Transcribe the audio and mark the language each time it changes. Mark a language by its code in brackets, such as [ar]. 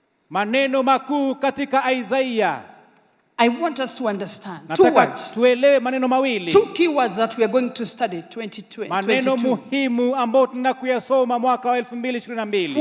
[sw] Maneno makuu katika Isaiah. [en] I want us to understand. [sw] Nataka tuelewe maneno mawili. [en] Two keywords that we are going to study 2022. [sw] Maneno muhimu ambayo tunakuyasoma mwaka wa 2022.